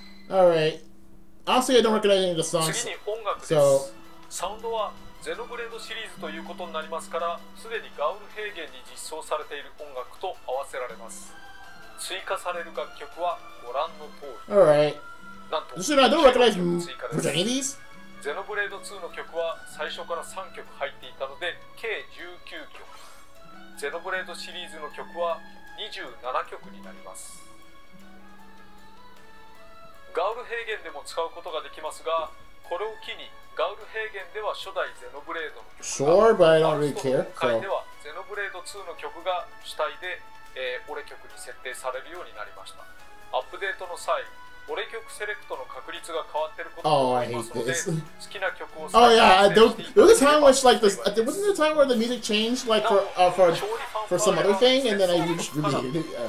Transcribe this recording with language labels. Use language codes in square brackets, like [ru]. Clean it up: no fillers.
[en] Alright. Honestly, I don't recognize any of the songs. [ja] 次に音楽です。サウンドはゼノブレードシリーズということになりますから、すでにガウル平原に実装されている音楽と合わせられます。追加される楽曲はご覧の通り。 [en] Alright. [ja] なんと、 [en] I don't recognize any of these? [ja] ゼノブレード2の曲は最初から3曲入っていたので、計19曲。ゼノブレードシリーズの曲は27曲になります。ガウル平原でも使うことができますが、これを機にガウル平原では初代ゼノブレードの曲が、 [en] sure, but I don't really care. [ja] 今回ではゼノブレード2の曲が主体で、オレ曲に設定されるようになりました。アップデートの際、オレ曲セレクトの確率が変わっていることもありますので、好きな曲を選択して、 [en] there was a time which like this, wasn't there a time where the music changed like for some other thing and then I used to be